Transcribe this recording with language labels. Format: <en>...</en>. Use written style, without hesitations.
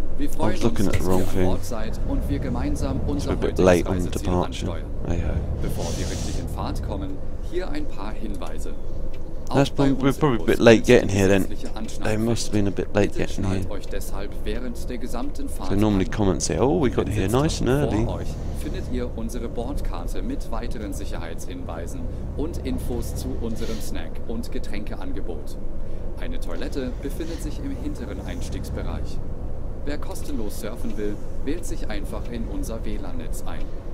<de>Wir freuen uns, dass ihr an Bord seid und wir gemeinsam unser heutiges Reiseziel ansteuern. Bevor wir richtig in Fahrt kommen, hier ein paar Hinweise.</de> <en>That's probably, we're probably a bit late getting here then. They must have been a bit late getting here. They normally comment say, oh, we got here nice and early.</en> <de>Findet ihr unsere Bordkarte mit weiteren Sicherheitshinweisen und Infos zu unserem Snack- und Getränkeangebot. Eine Toilette befindet sich im hinteren Einstiegsbereich. Wer kostenlos surfen will, wählt sich einfach in unser WLAN-Netz ein.</de>